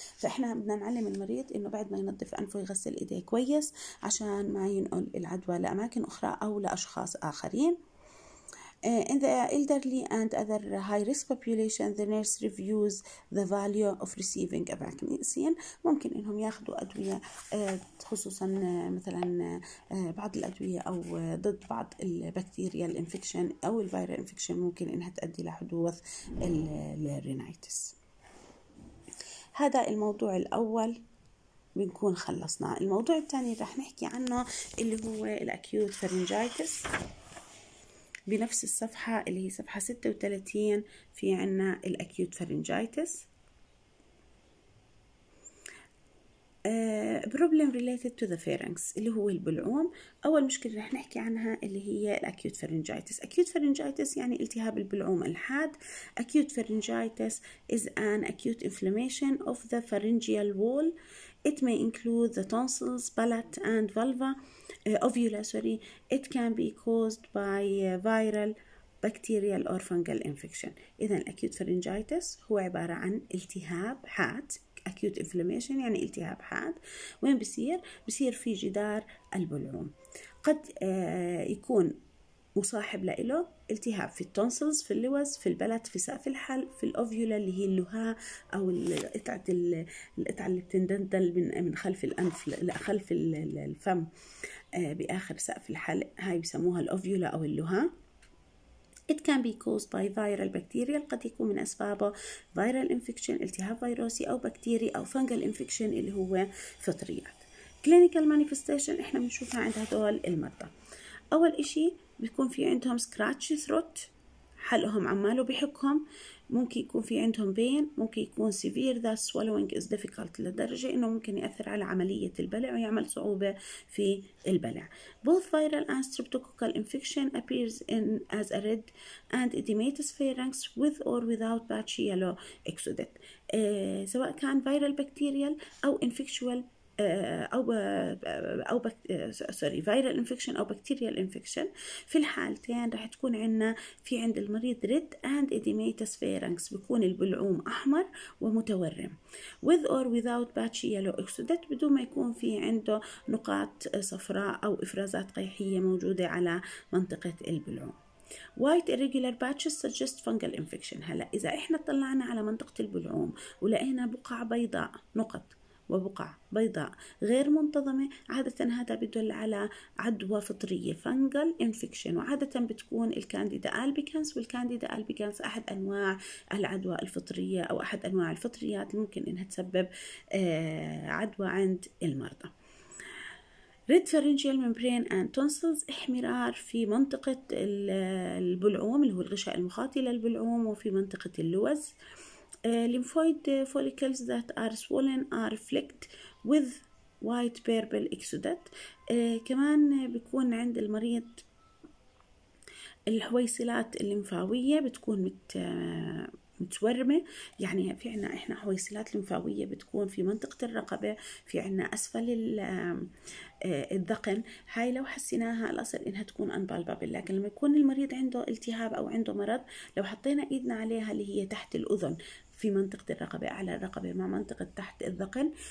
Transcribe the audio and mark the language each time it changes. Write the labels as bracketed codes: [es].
[ar] فاحنا بدنا نعلم المريض انه بعد ما ينظف أنفه يغسل إيديه كويس عشان ما ينقل العدوى لأماكن أخرى أو لأشخاص آخرين. [en] In the elderly and other high-risk population, the nurse reviews the value of receiving a vaccine. [ar] ممكن إنهم ياخدوا أدوية خصوصاً مثلاً بعض الأدوية أو ضد بعض البكتيريا الانفكشن أو [en] الفيرال انفكشن، [ar] ممكن إنها تؤدي لحدوث الرينيتس. هذا الموضوع الأول، بنكون خلصنا. الموضوع الثاني رح نحكي عنه اللي هو الأكيوت فارينجايتس بنفس الصفحة اللي هي صفحة 36. في عنا [en] الأكيوت pharyngitis problem related to the pharynx [ar] اللي هو البلعوم. أول مشكلة رح نحكي عنها اللي هي الأكيوت فارينجايتس. أكيوت فارينجايتس يعني التهاب البلعوم الحاد. [en] Acute pharyngitis is an acute inflammation of the pharyngeal wall. It may include the tonsils, palate, and vulva, ovula, sorry. It can be caused by viral, bacterial, or fungal infection. [ar] إذن acute pharyngitis هو عبارة عن التهاب حاد. [en] Acute inflammation [ar] يعني التهاب حاد. وين بصير؟ بصير في جدار البلعوم. قد يكون مصاحب لإله التهاب في التونسلز، في اللوز، في البلت، في سقف الحلق، في الأوفيولا اللي هي اللهاء أو القطعة اللي بتندندل من خلف الأنف لخلف الفم بآخر سقف الحلق، هاي بسموها الأوفيولا أو اللهاء. [en] It can be caused by viral bacteria. [ar] قد يكون من أسبابه [en] viral infection [ar] التهاب فيروسي أو بكتيري أو [en] fungal infection [ar] اللي هو فطريات. [en] Clinical manifestation [ar] إحنا بنشوفها عند هدول المرضى. أول إشي بيكون في عندهم [en] scratchy throat، [ar] حلقهم عماله بيحكهم، ممكن يكون في عندهم بين، ممكن يكون [en] severe the swallowing is difficult [ar] لدرجة انه ممكن يأثر على عملية البلع ويعمل صعوبة في البلع. [en] Both viral and streptococcal infection appears in as a red and edematous pharynx with or without patch yellow exudate. [ar] سواء كان viral bacterial او infectual او سوري [en] viral infection او bacterial infection, [ar] في الحالتين راح تكون عندنا في عند المريض [en] red and oedematous pharynx, [ar] بيكون البلعوم احمر ومتورم [en] with or without patch yellow exudate، [ar] بدون ما يكون في عنده نقاط صفراء او افرازات قيحيه موجوده على منطقه البلعوم. [en] White irregular patches suggest fungal infection. [ar] هلا اذا احنا طلعنا على منطقه البلعوم ولقينا بقع بيضاء، نقط وبقع بيضاء غير منتظمة، عادة هذا بيدل على عدوى فطرية [en] fungal infection، [ar] وعادة بتكون الكانديدا albicans، والكانديدا albicans أحد أنواع العدوى الفطرية أو أحد أنواع الفطريات ممكن إنها تسبب عدوى عند المرضى. [en] Red pharyngeal membrane and tonsils، [ar] احمرار في منطقة البلعوم اللي هو الغشاء المخاطي للبلعوم وفي منطقة اللوز. [en] Lymphoid follicles that are swollen are flecked with white purple exudate. [ar] كمان بيكون عند المريض الهويسلات الليمفاوية بتكون متورمة، يعني في عنا احنا هويسلات ليمفاوية بتكون في منطقة الرقبة، في عنا اسفل الذقن، هاي لو حسيناها الاصل انها تكون انبالبابل، لكن لما يكون المريض عنده التهاب او عنده مرض لو حطينا ايدنا عليها اللي هي تحت الاذن في منطقة الرقبة أعلى الرقبة مع منطقة تحت الذقن،